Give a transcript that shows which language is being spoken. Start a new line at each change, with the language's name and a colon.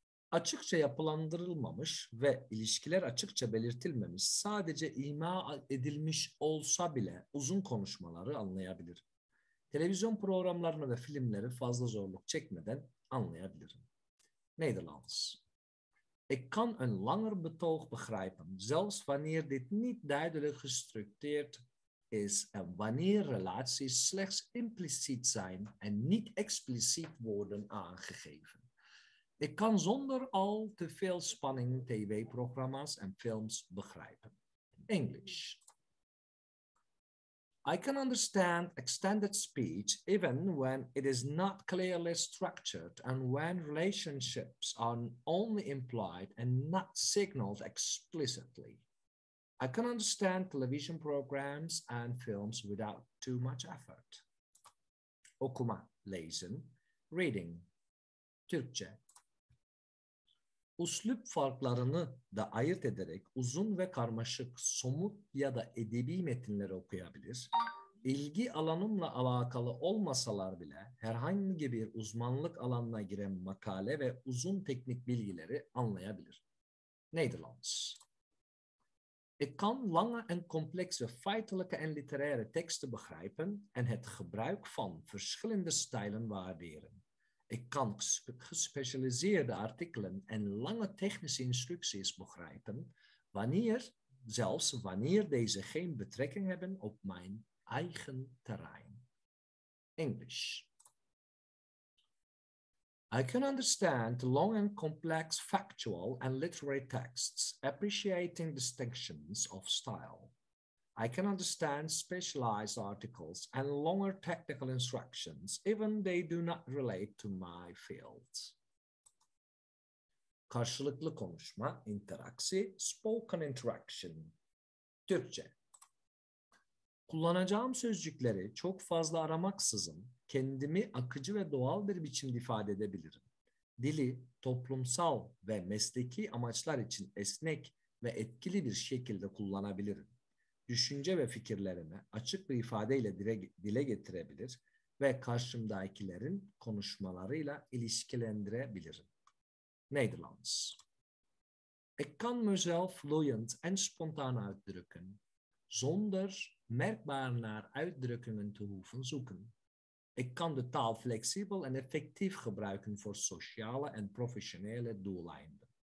Turkish: Açıkça yapılandırılmamış ve ilişkiler açıkça belirtilmemiş, sadece ima edilmiş olsa bile uzun konuşmaları anlayabilir. Televizyon programlarını ve filmleri fazla zorluk çekmeden anlayabilirim.
Dutch: Nederlands. Ik kan een langer betoog begrijpen, zelfs wanneer dit niet duidelijk gestructureerd is en wanneer relaties slechts impliciet zijn en niet expliciet worden aangegeven. Ik kan zonder al te veel spanning tv-programma's en films begrijpen.
English: English. I can understand extended speech even when it is not clearly structured and when relationships are only implied and not signaled explicitly. I can understand television programs and films without too much effort.
Turkish: Okuma, lezen, reading, Türkçe. Üslup farklarını da ayırt ederek uzun ve karmaşık somut ya da edebi metinleri okuyabilir. İlgi alanımla alakalı olmasalar bile herhangi bir uzmanlık alanına giren makale ve uzun teknik bilgileri anlayabilir.
Dutch: Nederlands. Ik kan lange en complexe feitelijke en literaire teksten begrijpen en het gebruik van verschillende stijlen waarderen. Ik kan gespecialiseerde artikelen en lange technische instructies begrijpen, zelfs wanneer deze geen betrekking hebben op mijn eigen terrein.
English: English. I can understand long and complex factual and literary texts, appreciating distinctions of style. I can understand specialized articles and longer technical instructions, even they do not relate to my field.
Turkish: Karşılıklı konuşma, interaksi, spoken interaction. Türkçe. Kullanacağım sözcükleri çok fazla aramaksızın kendimi akıcı ve doğal bir biçimde ifade edebilirim. Dili toplumsal ve mesleki amaçlar için esnek ve etkili bir şekilde kullanabilirim. Düşünce ve fikirlerimi açık bir ifadeyle dile getirebilir ve karşımdakilerin konuşmalarıyla ilişkilendirebilirim.
Dutch: Nederlands. Ik kan mezelf fluent en spontaan uitdrukken, zonder merkbaar naar uitdrukkingen te hoeven zoeken. Ik kan de taal flexibel en effectief gebruiken voor sociale en professionele doeleinden.